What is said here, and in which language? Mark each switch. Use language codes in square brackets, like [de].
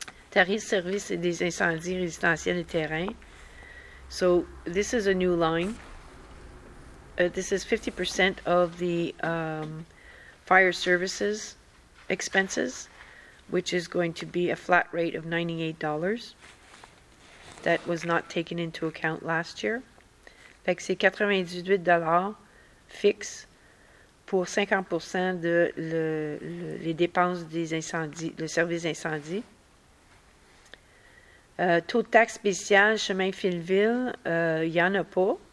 [fr] Tarif service et des incendies résidentiels et terrain. [en] So, this is a new line. This is 50% of the fire services expenses, which is going to be a flat rate of $98. That was not taken into account last year. [fr] Fait que c'est $98 fixe pour 50% de les dépenses des incendies, le service d'incendie. Taux de taxe spéciale, chemin Filleville, il n'y en a pas.